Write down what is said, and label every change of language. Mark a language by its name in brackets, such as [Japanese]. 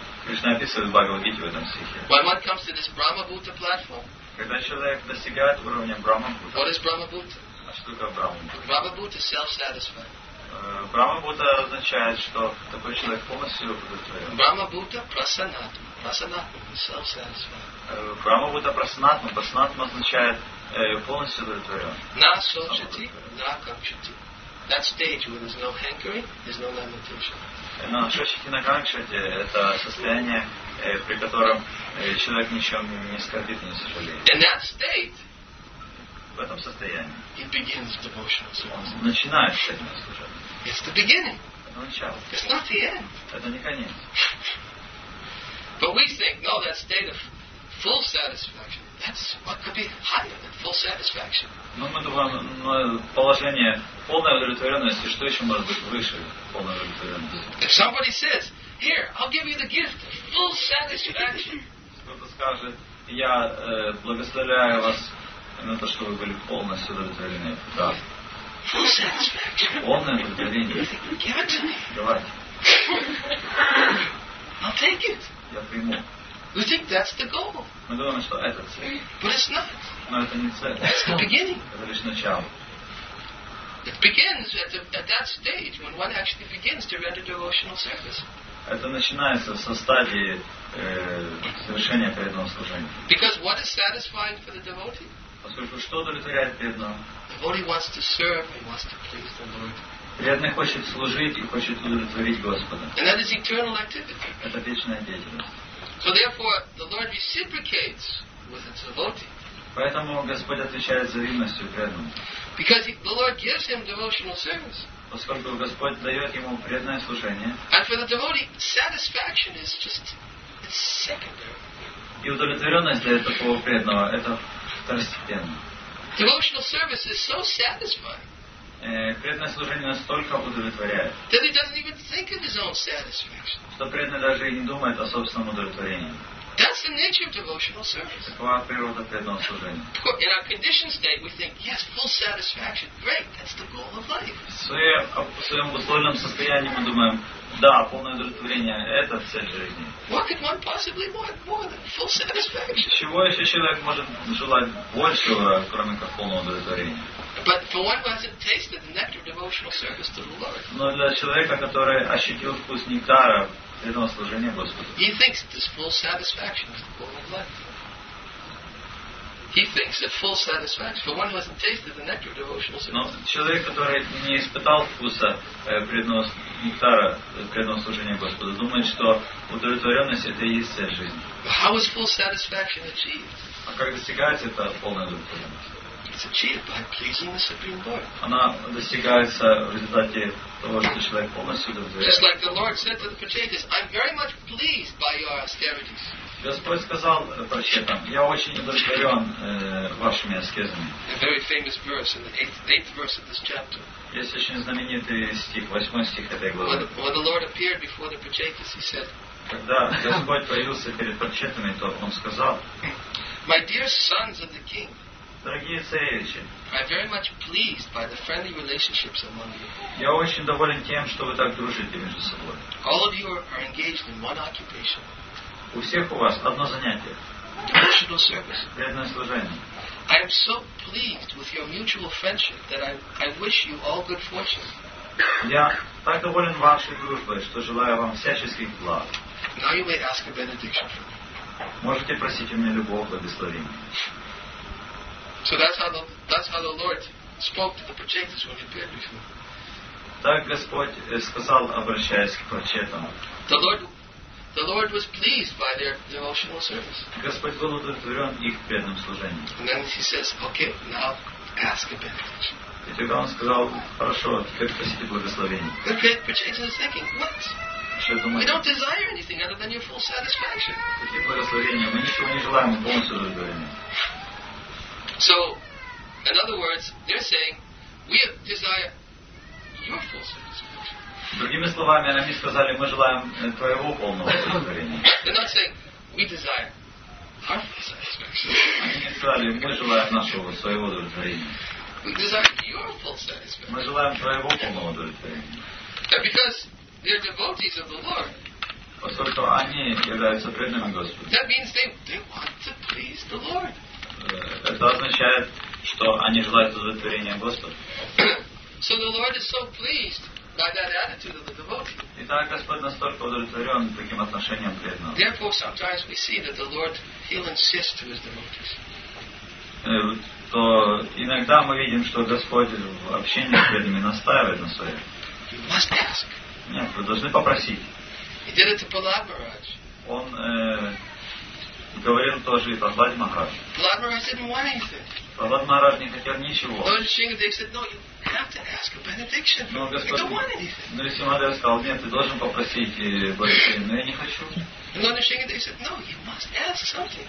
[Russian] Krishna описывает в Бхагавад-гите в этом стихе. [English] When one comes to this Brahma Bhuta platform, [Russian] когда человек достигает уровня Брахма Бхута, [English] what is Brahma Bhuta? [Russian] А что такое Брахма Бхута? [English] Brahma Bhuta is self-satisfied. [Russian] Брахма Бхута означает, что такой человек полностью удовлетворен. [Sanskrit] Брахма Бхута Прасанатма. Прасанатма [English] is self-satisfied. [Sanskrit] Брахма Бхута Прасанатма. [Russian] Прасанатма означает полностью удовлетворен. [Sanskrit] На сочити, на камчити. [English] That stage where there's no hankering, there's no lamentation. [Sanskrit] На сочити, на камчити [Russian] это состояние, при котором человек ничем не скорбит, не сожалеет. [English] In that state, [Russian] в этом состоянии, [English] he begins devotional service. [Russian] Начинает преданное служение. [English] It's the beginning. [Russian] Это начало. [English] It's not the end. [Russian] Это не конец. [English] But we think, no, that state of full satisfaction, that's what could be higher than full satisfaction. [Russian] Но мы думаем, положение полной удовлетворенности, что еще может быть выше полной удовлетворенности? [English] If somebody says, here, I'll give you the gift of full satisfaction. [Russian] Кто-то скажет, я благословляю вас на то, что вы были полностью удовлетворены. Да. [English] Full satisfaction. [Russian] Полное удовлетворение. [English] Give it to me. [Russian] Давайте. [English] I'll take it. [Russian] Я приму. [English] We think that's the goal. [Russian] Мы думаем, что это цель. [English] But it's not. [Russian] Но это не цель. [English] That's the beginning. [Russian] Это лишь начало. [English] It begins at that stage when one actually begins to render devotional service. [Russian] Это начинается со стадии совершения преданного служения. [English] Because what is satisfying for the devotee? [Russian] Поскольку что удовлетворяет преданного? [English] The devotee wants to serve and wants to please the Lord. [Russian] Преданный хочет служить и хочет удовлетворить Господа. [English] And that is eternal activity. [Russian] Это вечная деятельность. [English] So therefore, the Lord reciprocates with its devotee. [Russian] Поэтому Господь отвечает взаимностью преданному. [English] Because the Lord gives him devotional service. [Russian] Поскольку Господь дает ему преданное служение. [English] And for the devotee, satisfaction is just it's secondary. [Russian] И удовлетворенность для такого преданного это второстепенно. [English] Devotional service is so satisfying. [Russian] преданное служение настолько удовлетворяет, [English] that he doesn't even think of his own satisfaction. [Russian] Что преданный даже и не думает о собственном удовлетворении. [English] That's the nature of devotional service. [Russian] Такова природа преданного служения. [English] In our conditioned state, we think, yes, full satisfaction, great, that's the goal of life. [Russian] В своем условленном состоянии мы думаем, да, полное удовлетворение, это цель жизни. [English] What could one possibly want more than full satisfaction? [Russian] Чего еще человек может желать большего, кроме как полного удовлетворения? [English] But for one who hasn't tasted the nectar of devotional service to the Lord. [Russian] Но для человека, который ощутил вкус нектара преданного служения Господу. [English] He thinks this full satisfaction is the goal of life. He thinks that full satisfaction, for one who hasn't tasted the nectar of devotional service. [Russian] Но человек, который не испытал вкуса преданного служения Господу, думает, что удовлетворенность — это и есть цель жизни. [English] How is full satisfaction achieved? [Russian] А как достигается эта полная удовлетворенность? [English] It's achieved by pleasing the Supreme Lord. [Russian] Она достигается в результате того, что человек полностью удовлетворен. [English] Just like the Lord said to the Pachetas, I'm very much pleased by your austerities. [Russian] Господь сказал Пачетам, я очень удовлетворен вашими аскезами. [English] A very famous verse in the eighth verse of this chapter. [Russian] Есть очень знаменитый стих, восьмой стих этой главы. [English] When the Lord appeared before the Pachetas, he said, [Russian] когда Господь появился перед Пачетами, то он сказал, [English] my dear sons of the king, [Russian] дорогие царевичи, [English] I'm very much pleased by the friendly relationships among you. [Russian] Я очень доволен тем, что вы так дружите между собой. [English] All of you are engaged in one occupation. [Russian] У всех у вас одно занятие. [English] Devotional service. [Russian] Преданное служение. [English] I am so pleased with your mutual friendship that I wish you all good fortune. [Russian] Я так доволен вашей дружбой, что желаю вам всяческих благ. [English] Now you may ask a benediction. [Russian] Можете просить у меня любого благословения. [English] So that's how the Lord spoke to the Pachetas when he appeared before. [Russian] Так Господь сказал, обращаясь к Пачетам. [English] The Lord was pleased by their devotional service. [Russian] Господь был удовлетворен их преданным служением. [English] And then he says, okay, now ask a benediction. [Russian] И тогда он сказал, хорошо, теперь просите благословение. [English] The Pachetas is thinking, what? We don't desire anything other than your full satisfaction. [Russian] Эти благословения, мы ничего не желаем, полностью удовлетворены. [English] So, in other words, they're saying, we desire your full satisfaction. [Russian] Другими словами, они сказали, мы желаем твоего полного удовлетворения. [English] They're not saying, we desire our full satisfaction. [Russian] Они сказали, мы желаем нашего, своего удовлетворения. [English] We desire your full satisfaction. [Russian] Мы желаем твоего полного удовлетворения. [English] Because they're devotees of the Lord. [Russian] Поскольку они являются преданными Господу. [English] That means they want to please the Lord. [Russian] Это означает, что они желают удовлетворения Господа. [English] So the Lord is so pleased by that attitude of the devotee. [Russian] Итак, Господь настолько удовлетворен таким отношением преданного. [English] Therefore, sometimes we see that the Lord, he'll insist to his devotees. [Russian] То иногда мы видим, что Господь в общении с преданными настаивает на своем. [English] You must ask. [Russian] Нет, вы должны попросить. [English] He did it to Prahlad Maharaj. [Russian] Он говорил тоже и Прохлад Махарадж. [English] Прохлад Махарадж didn't want anything. [Russian] Прохлад Махарадж не хотел ничего. [English] Lord Shingadev said, no, you have to ask a benediction. [Russian] Но Господь, [English] you don't want anything. [Russian] Но Симадев сказал, нет, ты должен попросить благословение, но я не хочу. [English] Lord Shingadev said, no, you must ask something.